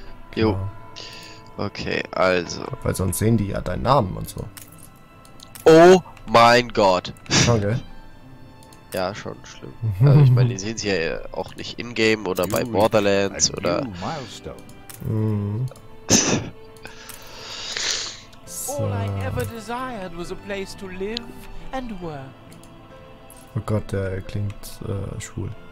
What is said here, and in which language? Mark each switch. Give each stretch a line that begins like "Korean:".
German: Genau. Jo. Okay, also. Weil sonst sehen die ja deinen Namen und so. Oh mein Gott. Danke. Ja, schon schlimm. Also ich meine, die sehen sie ja auch nicht in-game oder bei Borderlands oder...
English: All I ever desired was a place to live and work.
German: Oh Gott, der klingt schwul.